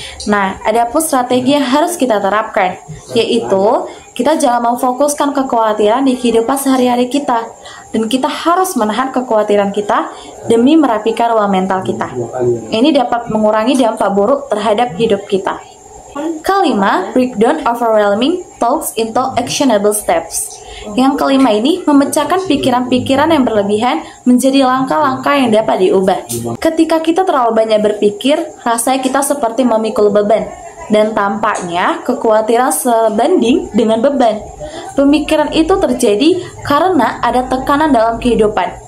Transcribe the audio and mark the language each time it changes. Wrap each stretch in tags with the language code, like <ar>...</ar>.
<id>Nah, ada pun strategi yang harus kita terapkan, yaitu kita jangan memfokuskan kekhawatiran di kehidupan sehari-hari kita, dan kita harus menahan kekhawatiran kita demi merapikan ruang mental kita. Ini dapat mengurangi dampak buruk terhadap hidup kita. Kelima,</id> <en>breakdown overwhelming thoughts into actionable steps.</en> <id>Yang kelima ini, memecahkan pikiran-pikiran yang berlebihan menjadi langkah-langkah yang dapat diubah. Ketika kita terlalu banyak berpikir, rasanya kita seperti memikul beban. Dan tampaknya kekhawatiran sebanding dengan beban. Pemikiran itu terjadi karena ada tekanan dalam kehidupan.</id>